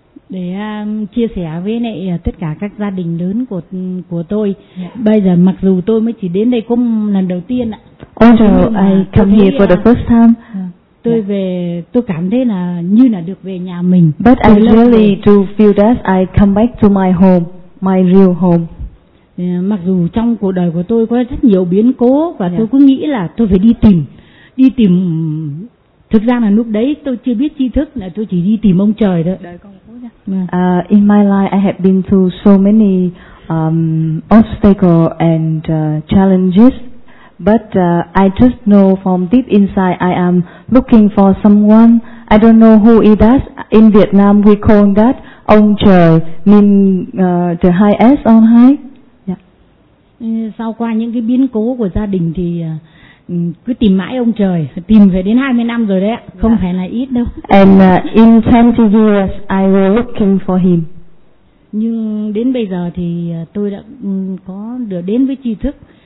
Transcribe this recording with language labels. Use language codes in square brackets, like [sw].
[vi] Để chia sẻ với lại tất cả các gia đình lớn của tôi. Bây giờ mặc dù tôi mới chỉ đến đây có lần đầu tiên ạ. [en] Although I come here for the first time. [vi] Tôi về tôi cảm thấy là như là được về nhà mình. [en] But I really do feel that I come back to my home, my real home. [vi] Mặc dù trong cuộc đời của tôi có rất nhiều biến cố và tôi cứ nghĩ là tôi phải đi tìm. Thực ra là lúc đấy tôi chưa biết tri thức, là tôi chỉ đi tìm ông trời thôi. [en] In my life I have been through so many obstacles and challenges. But I just know from deep inside I am looking for someone. I don't know who it is. In Vietnam we call that ông trời, mean the highest on high. Yeah. [vi] Sau qua những cái biến cố của gia đình thì cứ tìm mãi ông trời, tìm về đến 20 năm rồi đấy, không phải là ít đâu. [en] And in 20 years I was looking for him. [vi] Nhưng đến bây giờ thì tôi đã có được đến với tri thức.